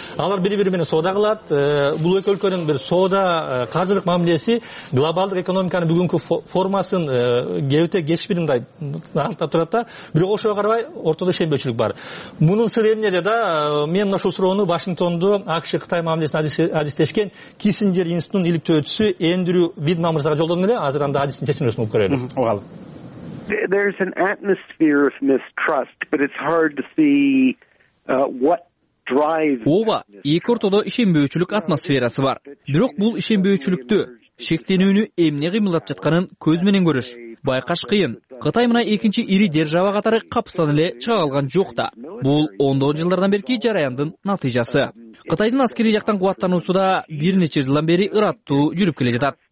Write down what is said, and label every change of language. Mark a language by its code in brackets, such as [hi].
[ky] Алар бири бири менен соода кылат. Бул эки өлкөнүн бир соода каржылык мамилеси глобалдык экономиканын бүгүнкү формасын кебите кечиши бир мындай артта турат да. Бирок ошого карабай ортодо ишенбөөчүлүк бар. Мунун сыры эмнеде да? Мен мына ушул суроону Вашингтондо АКШ Кытай мамилесин адистешкен Киссинджер институтунун иликтөөчүсү Эндрю Видман мырзага жолдодум эле. Азыр анда адистин чечмелөөсүн угуп көрөлү. Угалы. [en] There's an atmosphere of mistrust, but it's hard to see what [ky] ооба, эки ортодо ишенбөөчүлүк атмосферасы бар. Бирок бул ишенбөөчүлүктү, шектенүүнү эмне кыймылдатып жатканын көз менен көрүш, байкаш кыйын. Кытай мына экинчи ири держава катары капыстан эле чыга алган жок да. Бул ондогон жылдардан берки жараяндын натыйжасы. Кытайдын аскерий жактан кубаттануусу да бир нече жылдан бери ыраттуу жүрүп келе жатат.